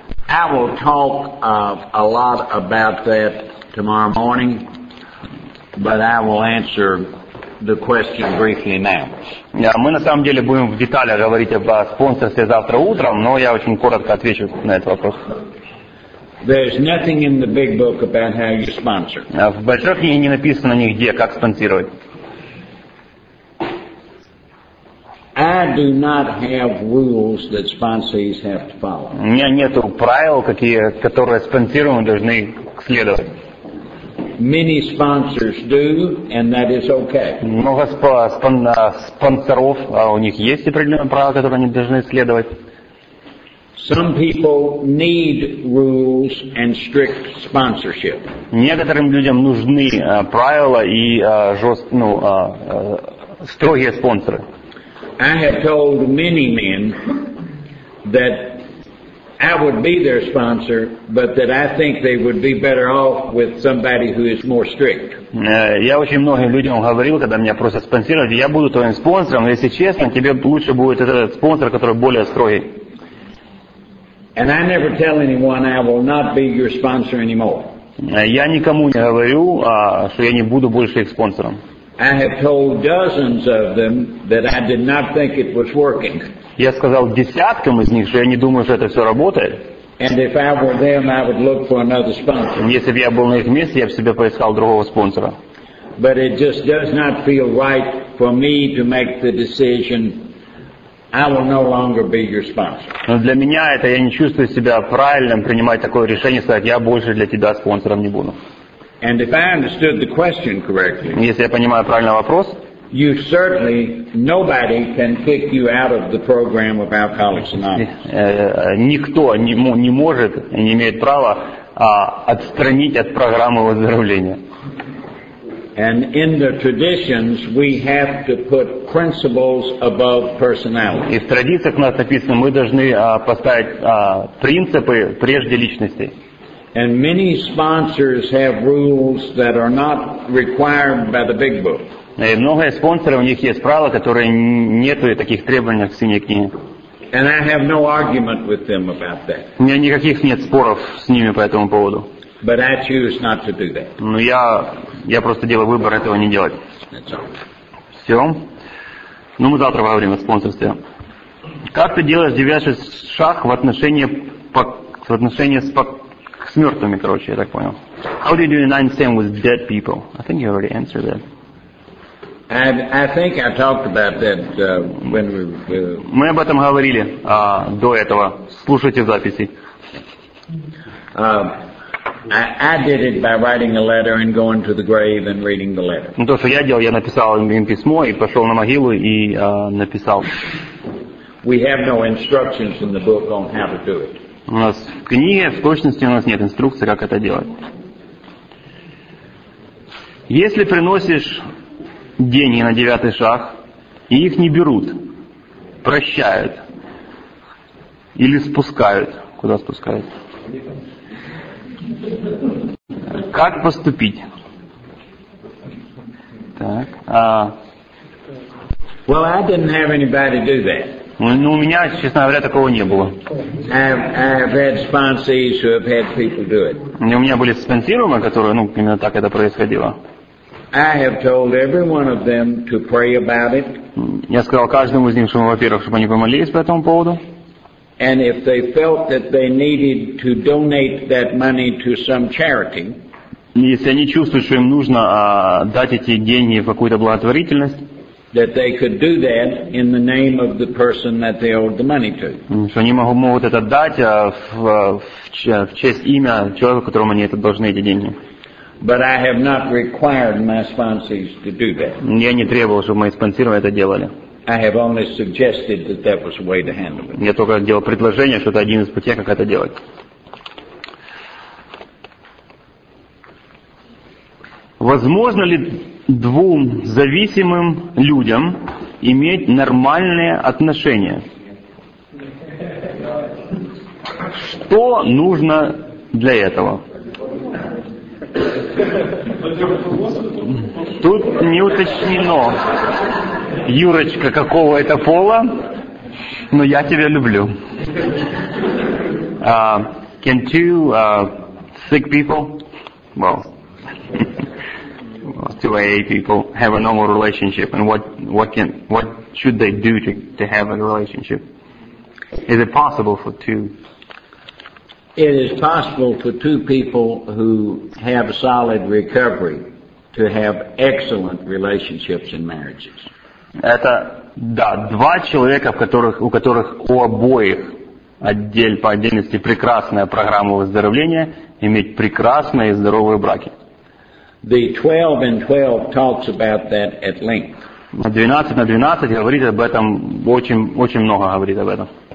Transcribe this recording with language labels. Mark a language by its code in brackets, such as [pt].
[en] I will talk a lot about that tomorrow morning, but I will answer the question briefly now. [ru] Мы на самом деле будем в деталях говорить об спонсорстве завтра утром, но я очень коротко отвечу на этот вопрос. [en] There's nothing in the big book about how you sponsor. [ru] В большой книге не написано нигде, как спонсировать. [en] I do not have rules that sponsors have to follow. [ru] У меня нету правил, которые спонсируемые должны следовать. [en] Many sponsors do, and that is okay. [ru] Много спонсоров, а у них есть определенные правила, которые они должны следовать. [en] Some people need rules and strict sponsorship. [ru] Некоторым людям нужны правила и строгие спонсоры. [en] I have told many men that I would be their sponsor, but that I think they would be better off with somebody who is more strict. [ru] Я очень многим людям говорил, когда меня просят спонсировать, я буду твоим спонсором, но если честно, тебе лучше будет этот спонсор, который более строгий. [en] And I never tell anyone I will not be your sponsor anymore. [ru] Я никому не говорю, что я не буду больше их спонсором. [en] I have told dozens of them that I did not think it was working. [ru] Я сказал десяткам из них, что я не думаю, что это все работает. [en] And if I were them, I would look for another sponsor. [ru] Если бы я был на их месте, я бы себе поискал другого спонсора. [en] But it just does not feel right for me to make the decision. I will no longer be your sponsor. [ru] Но для меня это я не чувствую себя правильным принимать такое решение, сказать, я больше для тебя спонсором не буду. [en] And if I understood the question correctly, [ru] если я понимаю правильно вопрос, [en] you certainly nobody can kick you out of the program of Alcoholics Anonymous. [ru] Никто не может, не имеет права отстранить от программы выздоровления. [en] And in the traditions, we have to put principles above personality. [ru] И в традициях у нас написано, мы должны поставить принципы прежде личности. [en] And many sponsors have rules that are not required by the big book. [ru] И многие спонсоры, у них есть правила, которые нету таких требований в синей книге. [en] And I have no argument with them about that. [ru] У меня никаких нет споров с ними по этому поводу. [en] But I choose not to do that. [ru] Но я просто делаю выбор этого не делать. [en] That's all. [ru] Все. Мы завтра во время спонсорства. Как ты делаешь девятый шаг в отношении с мертвыми, короче, я так понял. [en] How do you do the ninth sin with dead people? I think you already answered that. I think I talked about that when we... [ru] Мы об этом говорили до этого. Слушайте записи. [en] I did it by writing a letter and going to the grave and reading the letter. [ru] То, что я делал, я написал им письмо и пошел на могилу и написал. [en] We have no instructions in the book on how to do it. [ru] У нас в книге в точности у нас нет инструкции, как это делать. Если приносишь деньги на девятый шаг, и их не берут, прощают или спускают, куда спускают. Как поступить? Так. [en] Well, I didn't have anybody do that. [ru] Ну, у меня, честно говоря, такого не было. У меня были спонсируемые, которые, ну, именно так это происходило. [en] I have told every one of them to pray about it. [ru] Я сказал каждому из них, что, во-первых, чтобы они помолились по этому поводу. [en] And if they felt that they needed to donate that money to some charity. [ru] Если они чувствуют, что им нужно дать эти деньги в какую-то благотворительность. [en] That they could do that in the name of the person that they owed the money to. [ru] Что они могут это дать в честь имя человека, которому они это должны эти деньги. [en] But I have not required my sponsors to do that. [ru] Я не требовал, чтобы мои спонсоры это делали. [en] I have only suggested that that was a way to handle it. [ru] Я только делал предложение, что это один из путей, как это делать. Возможно ли двум зависимым людям иметь нормальные отношения? Что нужно для этого? Тут не уточнено, Юрочка, какого это пола, но я тебя люблю. [en] Can two sick people? Well, two AA people have a normal relationship, and what should they do to have a relationship? Is it possible for two? It is possible for two people who have solid recovery to have excellent relationships and marriages. [ru] Это да, два человека, у которых у обоих по отдельности прекрасная программа выздоровления, иметь прекрасные и здоровые браки. [en] The 12 and 12 talks about that at length. [ru] 12 на 12 говорит об этом очень, очень много говорит об этом.